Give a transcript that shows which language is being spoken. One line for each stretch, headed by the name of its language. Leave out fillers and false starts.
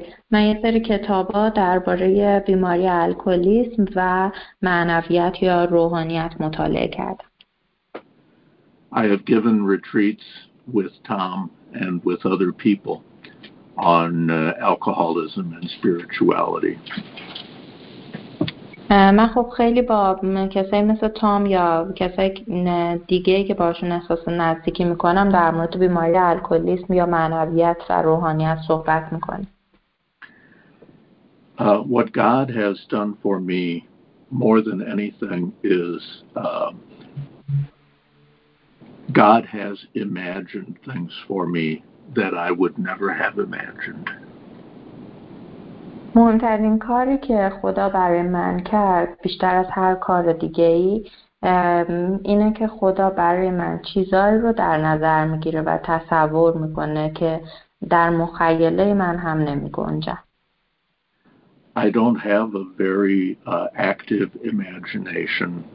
Persian: من یه سری کتابا درباره بیماری الکلیسم و معنویت یا روحانیت مطالعه کردم.
English: I have given retreats with Tom and with other people on alcoholism and spirituality.
Persian: من خب خیلی با کسایی مثل تام یا کسایی دیگه که باشون احساس نزدیکی میکنم در مورد بیماری الکلیسم یا معنویت و روحانیت صحبت میکنم.
English: What God has done for me more than anything is God has imagined things for me that I would never have imagined.
Persian: مهمترین کاری که خدا برای من کرد، بیشتر از هر کار دیگه‌ای، اینه که خدا برای من چیزایی رو در نظر میگیره و تصور میکنه که در مخیله من هم نمی‌گنجه.
English: I don't have a very active imagination.